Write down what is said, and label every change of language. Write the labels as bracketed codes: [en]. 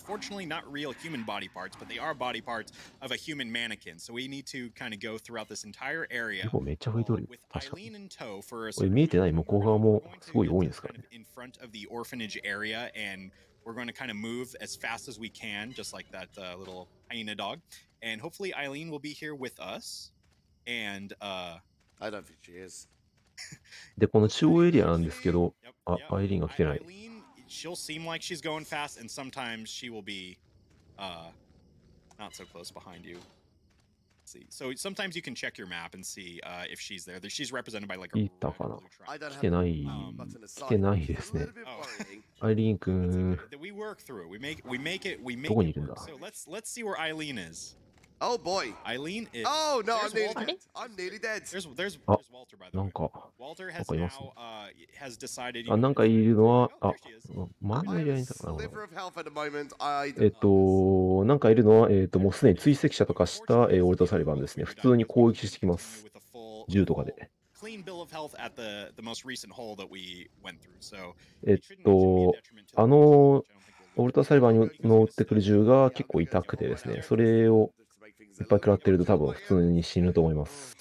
[en] Fortunately, not real human body parts, but they are body parts of a human mannequin. So we need to kind of go throughout this entire area. [ja] めっちゃ増えてる。確かに。これ見えてない向こう側もすごい多いんですからね。 [en] In front of the orphanage area, and we're going to kind of move as fast as we can, just like that little hyena dog. And hopefully Eileen will be here with us. And I don't think she is. [ja] でこの中央エリアなんですけど、あ、アイリーンが来てない。 [en] She'll seem like she's going fast, and sometimes she will be, not so close behind you. See, so sometimes you can check your map and see, if she's there. She's represented by like a. [ja] 行ったかな。来てないですね。アイリーン君。どこにいるんだ。 [en] So let's see where Eileen is. Oh boy! Eileen is. Oh no! I'm nearly dead. There's Walter by the way. Walter has now has decided. [ja] あ、なんかいるのは、あ、マグネリアにいた。 [en] Sliver of health at the moment. [ja] なんかいるのは、もうすでに追跡者とかした、オルトサリバンですね。普通に攻撃してきます。銃とかで。 [en] Clean bill of health at the most recent hole that we went through. So. [ja] オルトサリバンに乗ってくる銃が結構痛くてですね。それをいっぱい食らってると多分普通に死ぬと思います。